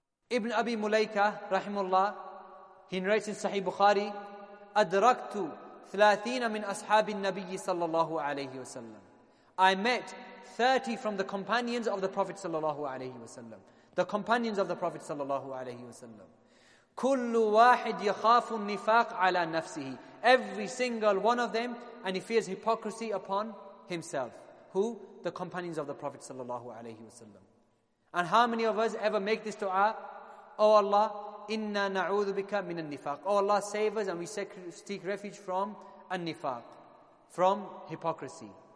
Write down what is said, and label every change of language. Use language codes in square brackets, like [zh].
[en] Ibn Abi Mulaika, rahimullah, he narrates in Sahih Bukhari, [ar] أدركت ثلاثين من أصحاب النبي صلى الله عليه وسلم. [en] I met 30 from the companions of the Prophet صلى الله عليه وسلم. The companions of the Prophet صلى الله عليه وسلم. [ar] كل واحد يخاف النفاق على نفسه. [en] Every single one of them, and he fears hypocrisy upon himself. Who? The companions of the Prophet sallallahu alayhi wasallam. And how many of us ever make this dua? Oh Allah, [ar] inna na'udhu bika min al-nifaq. [en] Oh Allah, save us, and we seek refuge from al-nifaq, from hypocrisy.